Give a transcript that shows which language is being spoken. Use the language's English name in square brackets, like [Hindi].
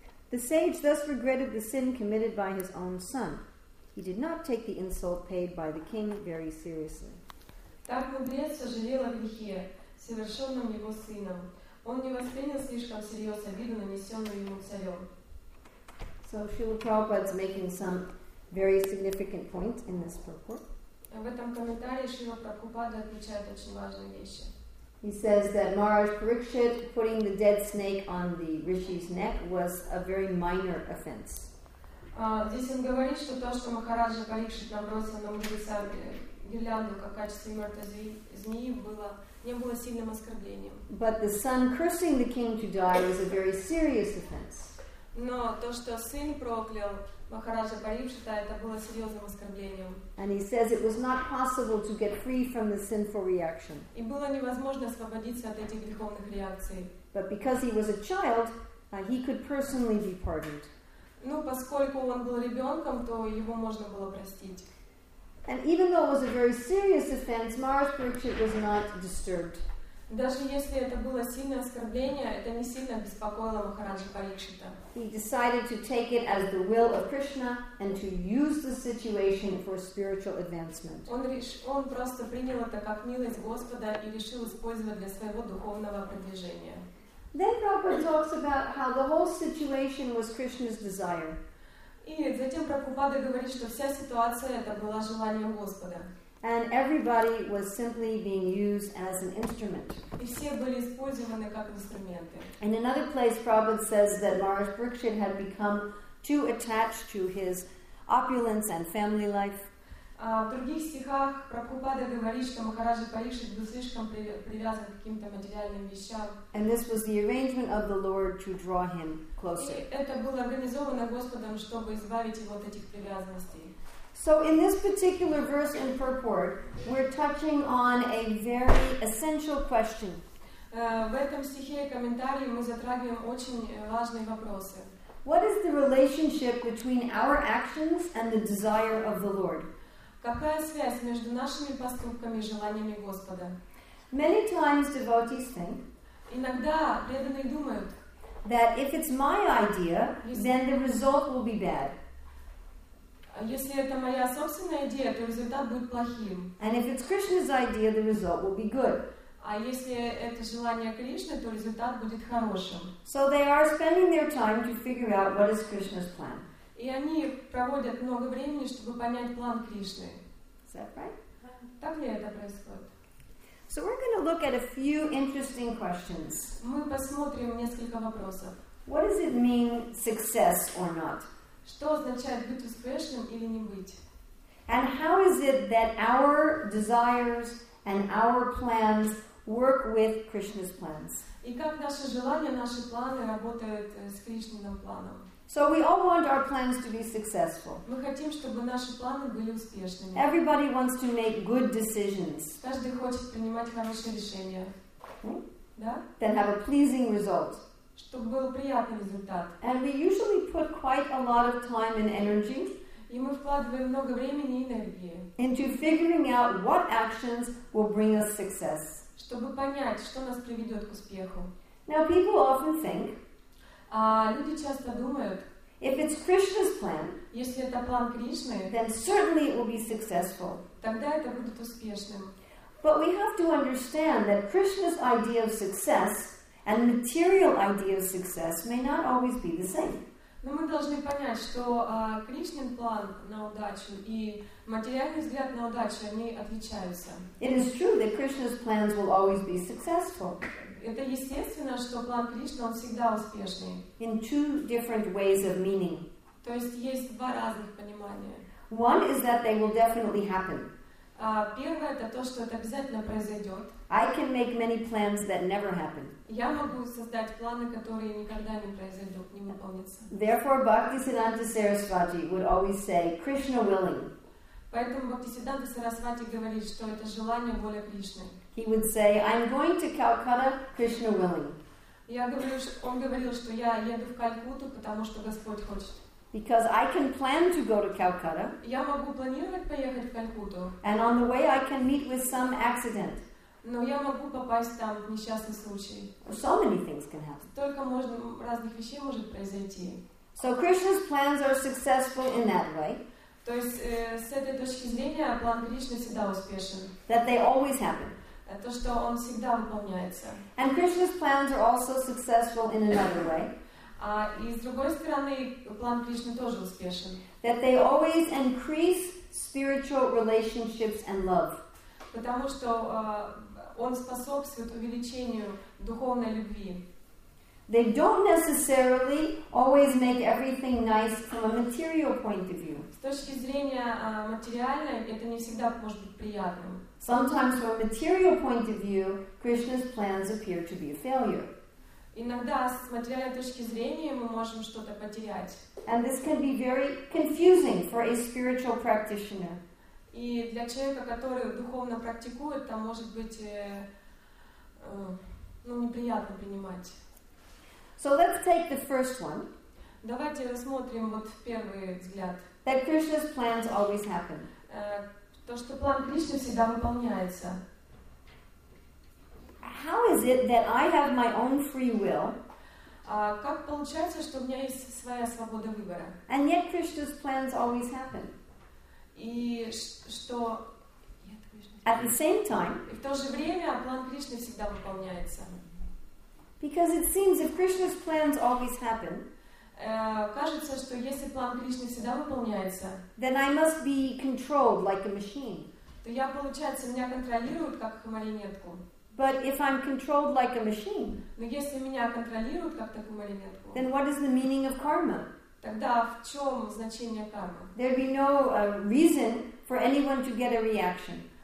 [English] The sage thus regretted the sin committed by his own son. He did not take the insult paid by the king very seriously. [Russian] Так мудрец сожалел о грехе, совершенным его сыном. Он не воспринял слишком всерьез обиду, нанесенную ему царем. [English] So Srila Prabhupada is making some very significant points in this purport. [Russian] В этом комментарии Шрила Прабхупада отмечает очень важные вещи. [English] He says that Maharaj Parikshit putting the dead snake on the Rishi's neck was a very minor offense. [Russian] Здесь он говорит, что то, что Махараджа Парикшит набросил на мудреца гирлянду как качество мертвой змеи, было не было сильным оскорблением. [English] But the son cursing the king to die was a very serious offense. [Russian] Но то, что сын проклял Махараджа Парикшита, это было серьезным оскорблением. [English] And he says it was not possible to get free from the sinful reaction. [Russian] И было невозможно освободиться от этих греховных реакций. [English] But because he was a child, he could personally be pardoned. [Russian] Ну, поскольку он был ребенком, то его можно было простить. [English] And even though it was a very serious offense, Maharaj Parikshit was not disturbed. [Russian] Даже если это было сильное оскорбление, это не сильно беспокоило Махараджа Парикшита. [English] He decided to take it as the will of Krishna and to use the situation for spiritual advancement. [Russian] Он просто принял это как милость Господа и решил использовать для своего духовного продвижения. [English] Then Prabhupada talks about how the whole situation was Krishna's desire. [Russian] И затем Прабхупада говорит, что вся ситуация это была желанием Господа. [English] And everybody was simply being used as an instrument. [Russian] И все были использованы как инструменты. [English] In another place, Prabhupada says that Maharaj Parikshit had become too attached to his opulence and family life. [Russian] В других стихах Прабхупада говорит, что Махараджа Парикшит был слишком привязан к каким-то материальным вещам. [English] And this was the arrangement of the Lord to draw him closer. [Russian] И это было организовано Господом, чтобы избавить его от этих привязанностей. [English] So in this particular verse in purport, we're touching on a very essential question. [Russian] В этом стихе и комментарии мы затрагиваем очень важные вопросы. [English] What is the relationship between our actions and the desire of the Lord? [Russian] Какая связь между нашими поступками и желаниями Господа? [English] Many times devotees think [Russian] Иногда преданные думают, [English] that if it's my idea, then the result will be bad. [Russian] Если это моя собственная идея, то результат будет плохим. [English] And if it's Krishna's idea, the result will be good. [Russian] А если это желание Кришны, то результат будет хорошим. [English] So they are spending their time to figure out what is Krishna's plan. [Russian] И они проводят много времени, чтобы понять план Кришны. [English] Is that right? [Russian] Так ли это происходит? [English] So we're going to look at a few interesting questions. [Russian] Мы посмотрим несколько вопросов. [English] What does it mean success or not? [Russian] Что означает быть успешным или не быть? [English] And how is it that our desires and our plans work with Krishna's plans? [Russian] И как наши желания, наши планы работают с Кришниным планом? [English] So we all want our plans to be successful. [Russian] Мы хотим, чтобы наши планы были успешными. [English] Everybody wants to make good decisions. [Russian] Каждый хочет принимать хорошие решения. Да? [English] Then have a pleasing result. [Russian] Чтобы был приятный результат. [English] And we usually put quite a lot of time and energy. [Russian] И мы вкладываем много времени и энергии. [English] Into figuring out what actions will bring us success. [Russian] Чтобы понять, что нас приведет к успеху. [English] Now people often think. [Russian] Люди часто думают, [English] if it's Krishna's plan, [Russian] если это план Кришны, [English] then certainly it will be successful. [Russian] Тогда это будет успешным. [English] But we have to understand that Krishna's idea of success and material idea of success may not always be the same. [Russian] Но мы должны понять, что Кришнин план на удачу и материальный взгляд на удачу они отличаются. [English] It is true that Krishna's plans will always be successful. [Russian] Это естественно, что план Кришны он всегда успешный. [English] In two different ways of meaning. [Russian] То есть есть два разных понимания. [English] One is that they will definitely happen. [Russian] Первое это то, что это обязательно произойдет. [English] I can make many plans that never happen. [Russian] Я могу создать планы, которые никогда не произойдут, не выполнятся. [English] Therefore, Bhaktisiddhanta Sarasvati would always say, Krishna willing. [Russian] Поэтому Бхактисиддханта Сарасвати говорит, что это желание воля Кришны. [English] He would say, I'm going to Calcutta, Krishna willing. [Russian] Он говорил, что я еду в Калькутту, потому что Господь хочет. [English] Because I can plan to go to Calcutta. [Russian] Я могу планировать поехать в Калькутту. [English] And on the way I can meet with some accident. [Russian] Но я могу попасть там в несчастный случай. [English] So many things can happen. [Russian] Только можно, разных вещей может произойти. [English] So Krishna's plans are successful in that way. [Russian] То есть с этой точки зрения план Кришны всегда успешен. [English] That they always happen. [Russian] То, что он всегда выполняется. [English] And Krishna's plans are also successful in another way. [Russian] И с другой стороны, план Кришны тоже успешен. [English] That they always increase spiritual relationships and love. [Russian] Потому что он способствует увеличению духовной любви. [English] They don't necessarily always make everything nice from a material point of view. [Russian] С точки зрения материальной, это не всегда может быть приятным. [English] Sometimes from a material point of view, Krishna's plans appear to be a failure. [Russian] Иногда с материальной точки зрения мы можем что-то потерять. [English] And this can be very confusing for a spiritual practitioner. [Russian] И для человека, который духовно практикует, там может быть неприятно принимать. [English] So let's take the first one. [Russian] Давайте рассмотрим вот первый взгляд. [English] That Krishna's plans always happen. [Russian] То, что план Кришны всегда выполняется. [English] How is it that I have my own free will? [Russian] Как получается, что у меня есть своя свобода выбора? [English] And yet Krishna's plans always happen. [Russian] И что? [English] At the same time. [Russian] И в то же время план Кришны всегда выполняется. [English] Because it seems if Krishna's plans always happen, [Russian] кажется, что если план Кришны всегда выполняется, [English] then I must be controlled like a machine. [Russian] То я, получается, меня контролируют как марионетку. [English] But if I'm controlled like a machine, [Russian] но если меня контролируют как такую марионетку, [English] then what is the meaning of karma? [Russian] Тогда в чем значение кармы? [English] There'd be no reason for anyone to get a reaction.